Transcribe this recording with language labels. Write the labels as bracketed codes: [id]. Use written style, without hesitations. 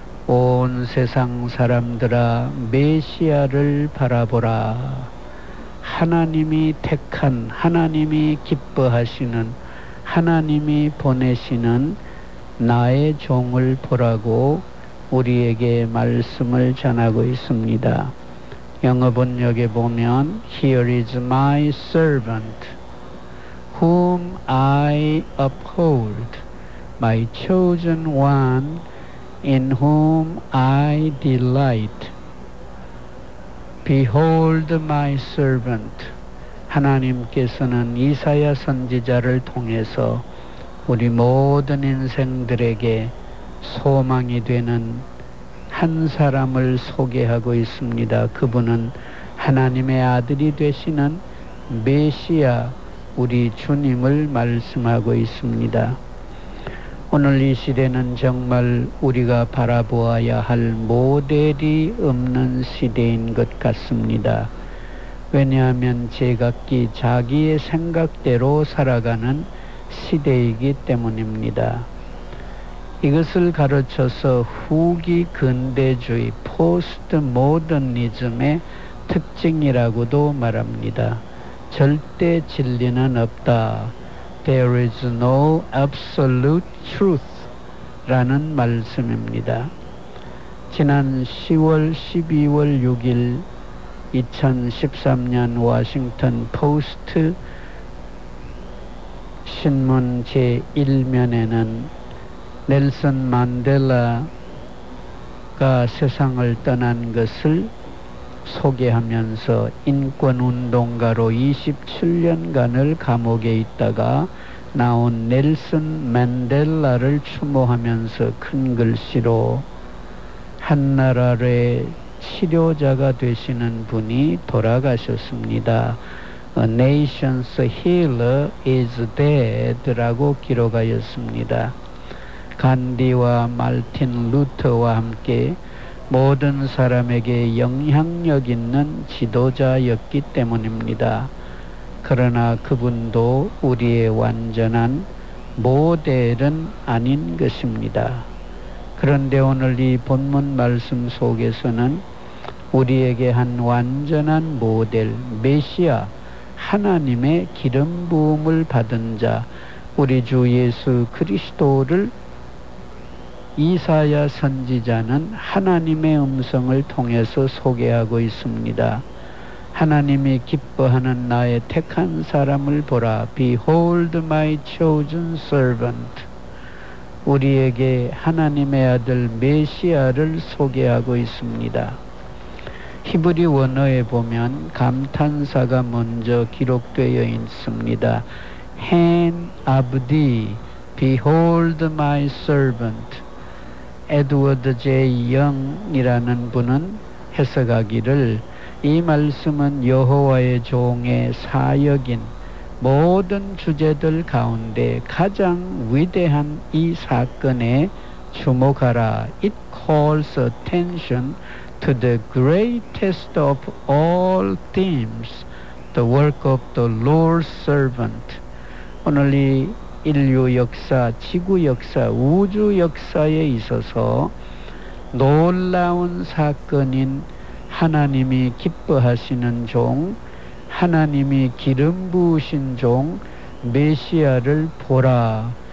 [ko] 온 세상 사람들아 메시아를 바라보라. 하나님이 택한, 하나님이 기뻐하시는, 하나님이 보내시는 나의 종을 보라고 우리에게 말씀을 전하고 있습니다. 영어 번역에 보면 [en] Here is my servant whom I uphold, my chosen one in whom I delight. Behold my servant. [ko] 하나님께서는 이사야 선지자를 통해서 우리 모든 인생들에게 소망이 되는 한 사람을 소개하고 있습니다. 그분은 하나님의 아들이 되시는 메시아 우리 주님을 말씀하고 있습니다. 오늘 이 시대는 정말 우리가 바라보아야 할 모델이 없는 시대인 것 같습니다. 왜냐하면 제각기 자기의 생각대로 살아가는 시대이기 때문입니다. 이것을 가르쳐서 후기 근대주의, 포스트 모더니즘의 특징이라고도 말합니다. 절대 진리는 없다. [en] There is no absolute truth [ko] 라는 말씀입니다. 지난 10월 12월 6일 2013년 워싱턴 포스트 신문 제1면에는 넬슨 만델라가 세상을 떠난 것을 소개하면서 인권운동가로 27년간을 감옥에 있다가 나온 넬슨 만델라를 추모하면서 큰 글씨로 한나라의 치료자가 되시는 분이 돌아가셨습니다. [en] A nation's healer is dead [ko] 라고 기록하였습니다. 간디와 말틴 루터와 함께 모든 사람에게 영향력 있는 지도자였기 때문입니다. 그러나 그분도 우리의 완전한 모델은 아닌 것입니다. 그런데 오늘 이 본문 말씀 속에서는 우리에게 한 완전한 모델, 메시아, 하나님의 기름 부음을 받은 자, 우리 주 예수 그리스도를 이사야 선지자는 하나님의 음성을 통해서 소개하고 있습니다. 하나님이 기뻐하는 나의 택한 사람을 보라. [en] Behold my chosen servant. [ko] 우리에게 하나님의 아들 메시아를 소개하고 있습니다. 히브리 원어에 보면 감탄사가 먼저 기록되어 있습니다. [he] 헨 아브디, [en] Behold my servant. [ko] 에드워드 J. 영이라는 분은 해석하기를 이 말씀은 여호와의 종의 사역인 모든 주제들 가운데 가장 위대한 이 사건에 주목하라. [en] It calls attention to the greatest of all themes, the work of the Lord's servant. [ko] 오늘 이 인류 역사, 지구 역사, 우주 역사에 있어서 놀라운 사건인 하나님이 기뻐하시는 종, 하나님이 기름 부으신 종, 메시아를 보라.